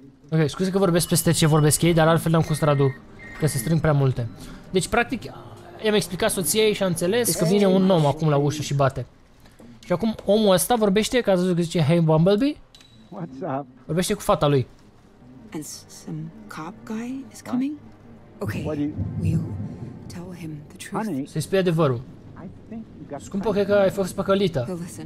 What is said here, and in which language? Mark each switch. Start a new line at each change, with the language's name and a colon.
Romanian: Ok, scuze că vorbesc peste ce vorbesc ei, dar altfel n-am cum să traduc. Că se strâng prea multe. Deci, practic, i-am explicat soției și a înțeles că vine un om acum la ușă și bate. Și acum omul ăsta vorbește, că a zis că zice,
English: hey Bumblebee. What's up?
Romanian: Vorbește cu fata lui.
English: And some cop guy is coming? Okay, we'll tell him the truth.
Romanian: Să-i spui adevărul. Scumpă, cred că ai fost păcălită.